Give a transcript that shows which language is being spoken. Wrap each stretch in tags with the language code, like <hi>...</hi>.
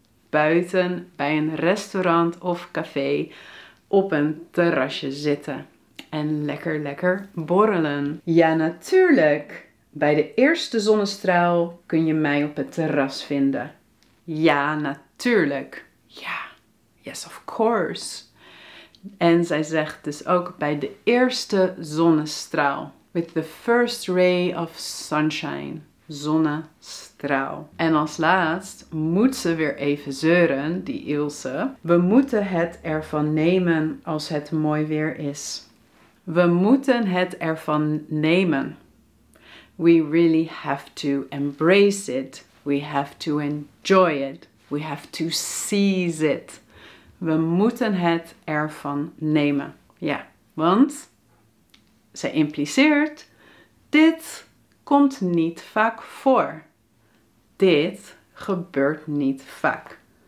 <nl>Buiten, bij een restaurant of café, op een terrasje zitten. En lekker borrelen. Ja, natuurlijk. Bij de eerste zonnestraal kun je mij op het terras vinden. Ja, natuurlijk.</nl> <en>Ja, yes, of course.</en> <nl>En zij zegt dus ook bij de eerste zonnestraal.</nl> <en>With the first ray of sunshine.</en> <nl>Zonnestraal. En als laatst moet ze weer even zeuren, die Ilse. We moeten het ervan nemen als het mooi weer is. We moeten het ervan nemen.</nl> <en>We really have to embrace it. We have to enjoy it. We have to seize it.</en> <nl>We moeten het ervan nemen. Ja, want ze impliceert, dit komt niet vaak voor. Dit gebeurt niet vaak.</nl>